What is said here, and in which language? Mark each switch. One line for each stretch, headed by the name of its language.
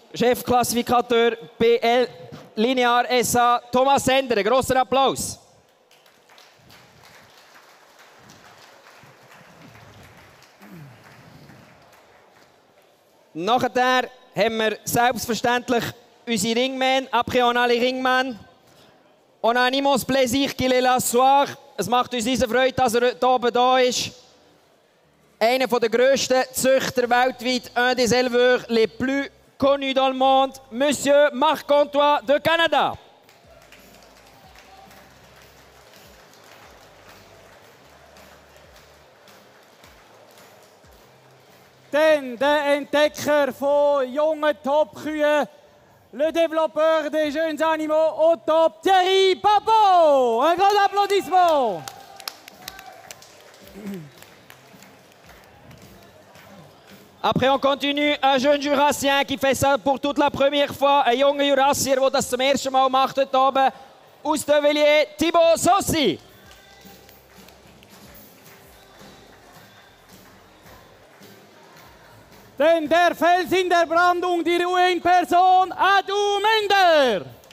German: Chefklassifikateur BL Linear SA, Thomas Sender. Einen grossen Applaus. Nachher haben wir selbstverständlich unsere Ringmen,
French: Après on a les Ringmen. On a un immense plaisir qu'il est là ce soir.
German: Es macht uns riesen Freude, dass er heute oben da ist. Einer von den grössten Züchter weltweit,
French: un des éleveurs les plus connus dans le monde, Monsieur Marc Contois de Canada.
German: Denn der Entdecker von jungen Top-Kühen,
French: le développeur des jeunes animaux au top, Thierry Papeau! Un grand applaudissement! Après, on continue. Un jeune Jurassien qui fait ça pour toute la première fois. Un jeune Jurassien,
German: der das zum ersten Mal macht heute oben. Aus de Villiers, Thibaut Sossi! Denn der Fels in der Brandung, die Ruhe in Person, Adu Mender!